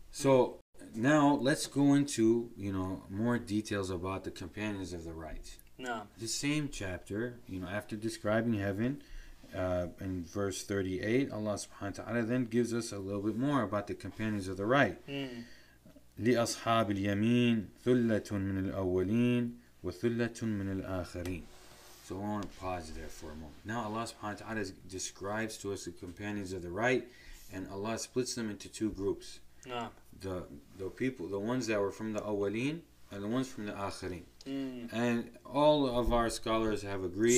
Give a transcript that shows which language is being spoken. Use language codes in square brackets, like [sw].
[en] So now let's go into, you know, more details about the companions of the right. No. The same chapter, you know, after describing heaven, in verse 38, Allah subhanahu wa ta'ala then gives us a little bit more about the companions of the right. [ar] لأصحاب اليمين ثلة من الأولين وثلة من الآخرين. [en] So I want to pause there for a moment. Now Allah subhanahu wa ta'ala describes to us the companions of the right, and Allah splits them into two groups. The people, the ones that were from the Awaleen, and the ones from the Akhirin. And all of our scholars have agreed.